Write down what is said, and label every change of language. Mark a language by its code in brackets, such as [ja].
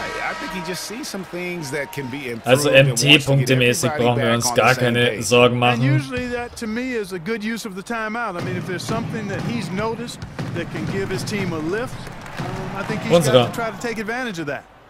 [en] I think he just sees some things that can be improved. [de] Also MT-punktemäßig brauchen wir uns gar keine Sorgen machen. [en] Usually that to me is a good use of the timeout. I mean, if there's something that he's noticed that can give his team a lift, I think he's got to try to take advantage of that.